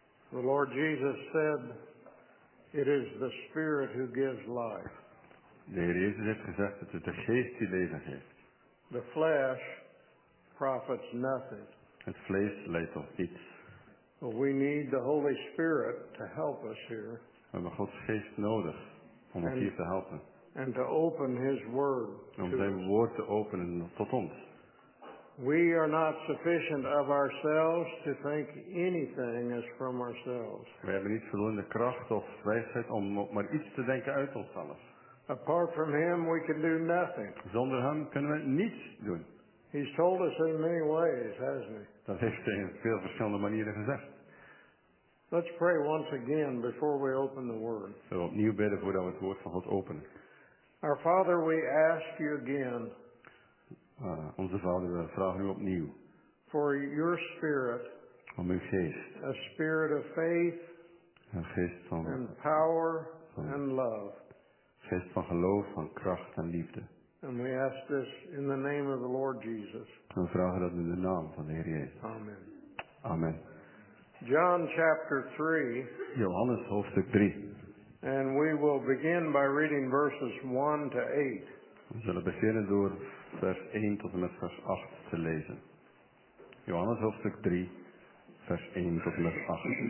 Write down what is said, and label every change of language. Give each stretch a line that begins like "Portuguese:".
English: The Lord Jesus said, "It is the Spirit who gives life."
Dutch: De Heer Jezus heeft gezegd dat het de Geest die leven geeft.
English: The flesh profits nothing.
Dutch: Het vlees leidt tot niets.
English: But we need the Holy Spirit to help us here.
Dutch: We hebben Gods Geest nodig om ons hier te helpen.
English: And to open His Word.
Dutch: Om zijn woord te openen tot ons.
English: We are not sufficient of ourselves to think anything is from ourselves.
Dutch: We hebben niet voldoende kracht of wijsheid om maar iets te denken uit onszelf.
English: Apart from Him, we can do nothing.
Dutch: Zonder Hem kunnen we niets doen.
English: He's told us in many ways, hasn't He?
Dutch: Dat heeft Hij in veel verschillende manieren gezegd.
English: Let's pray once again before we open the Word.
Dutch: We zullen opnieuw bidden voordat we het woord van God openen.
English: Our Father, we ask you again.
Dutch: Onze Vader, we vragen u opnieuw.
English: For your Spirit.
Dutch: Om uw Geest.
English: A Spirit of faith.
Dutch: Een Geest van.
English: And power and love.
Dutch: Geest van geloof, van kracht en liefde.
English: And we ask this in the name of the Lord Jesus.
Dutch: We vragen dat in de naam van de Heer Jezus.
English: Amen.
Dutch: Amen.
English: John chapter 3.
Dutch: Johannes hoofdstuk 3.
English: And we will begin by reading verses 1 to 8.
Dutch: We zullen beginnen door vers 1 tot en met vers 8 te lezen. Johannes hoofdstuk 3, vers 1 tot en met 8.